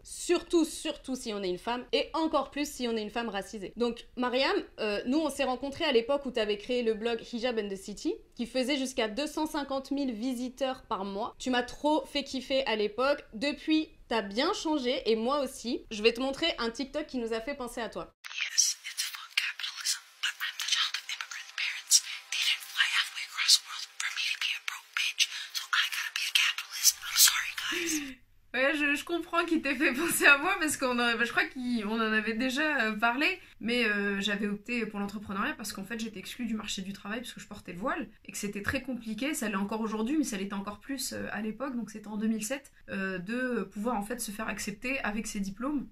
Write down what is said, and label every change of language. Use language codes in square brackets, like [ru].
[fr] Surtout si on est une femme, et encore plus si on est une femme racisée. Donc, Mariam, nous, on s'est rencontrés à l'époque où tu avais créé le blog Hijab and the City, qui faisait jusqu'à 250 000 visiteurs par mois. Tu m'as trop fait kiffer à l'époque. Depuis, t'as bien changé, et moi aussi. Je vais te montrer un TikTok qui nous a fait penser à toi. [en] Yes, it's about capitalism, but I'm the child of immigrant parents. They didn't fly halfway across the world for me to be a broke bitch, so I gotta be a capitalist. I'm sorry, guys. [fr] Ouais, je comprends qu'il t'ait fait penser à moi, parce qu'on en, je crois qu'on en avait déjà parlé, mais j'avais opté pour l'entrepreneuriat parce qu'en fait j'étais exclue du marché du travail parce que je portais le voile, et que c'était très compliqué, ça l'est encore aujourd'hui, mais ça l'était encore plus à l'époque, donc c'était en 2007, de pouvoir en fait se faire accepter avec ses diplômes.